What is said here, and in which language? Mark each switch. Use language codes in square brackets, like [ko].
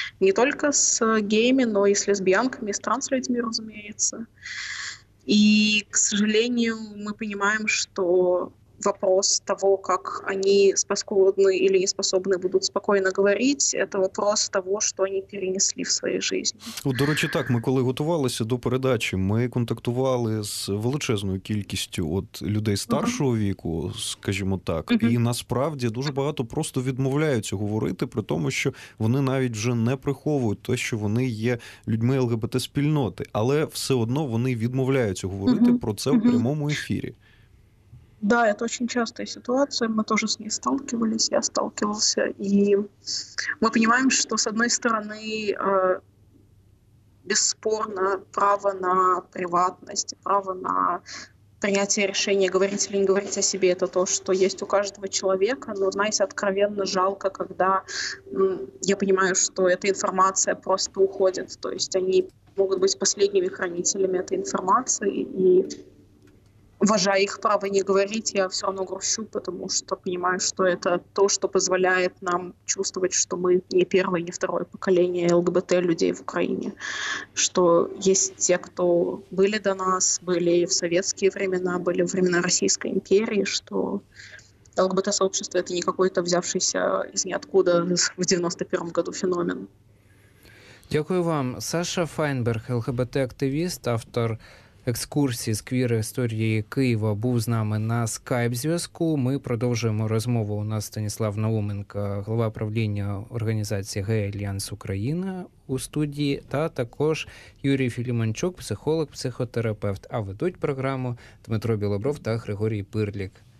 [ru] Не только с геями, но и с лесбиянками, и с транслюдьми, разумеется. И, к сожалению, мы понимаем, что вопрос того, как они способны или не способны будут спокойно говорить, это вопрос того, что они перенесли в своей жизни. [uk] От, до речі, так, ми коли готувалися до передачі, ми контактували з величезною кількістю от людей старшого mm-hmm. віку, скажімо так, mm-hmm. і насправді дуже багато просто відмовляються говорити, при тому, що вони навіть вже не приховують те, що вони є людьми ЛГБТ-спільноти, але все одно вони відмовляються говорити mm-hmm. про це mm-hmm. в прямому ефірі. [ru] Да, это очень частая ситуация, мы тоже с ней сталкивались, я сталкивался, и мы понимаем, что, с одной стороны, бесспорно, право на приватность, право на принятие решения, говорить или не говорить о себе, это то, что есть у каждого человека, но, знаете, откровенно жалко, когда я понимаю, что эта информация просто уходит, то есть они могут быть последними хранителями этой информации, и... Уважая их право не говорить, я все равно грущу, потому что понимаю, что это то, что позволяет нам чувствовать, что мы не первое, не второе поколение ЛГБТ-людей в Украине. Что есть те, кто были до нас, были в советские времена, были в времена Российской империи, что ЛГБТ-сообщество — это не какой-то взявшийся из ниоткуда в 91-м году феномен. [uk] Дякую вам. Саша Файнберг, ЛГБТ-активист, автор екскурсії з квір-історії Києва, був з нами на скайп-зв'язку. Ми продовжуємо розмову. У нас Станіслав Науменко, голова правління організації «Гей Альянс Україна» у студії, та також Юрій Філіменчук, психолог-психотерапевт, а ведуть програму Дмитро Білобров та Григорій Пирлік.